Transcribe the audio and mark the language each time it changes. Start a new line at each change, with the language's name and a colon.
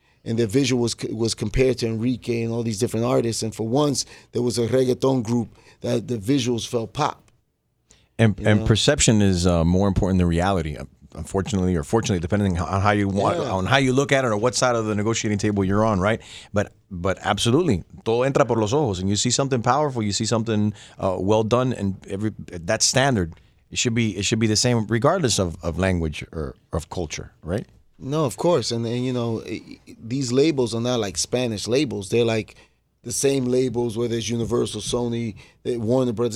English: And their visual was compared to Enrique and all these different artists. And for once, there was a reggaeton group that the visuals felt pop. And perception is more important than reality, unfortunately or fortunately, depending on how you want, yeah. on how you look at it or what side of the negotiating table you're on, right? But absolutely,
Spanish: todo entra por los ojos.
English: And you see something powerful, you see something well done, and that standard, it should be the same regardless of language or of culture, right? No, of course. And you know, these labels are not like Spanish labels. They're like the same labels, whether it's Universal, Sony, Warner Brothers.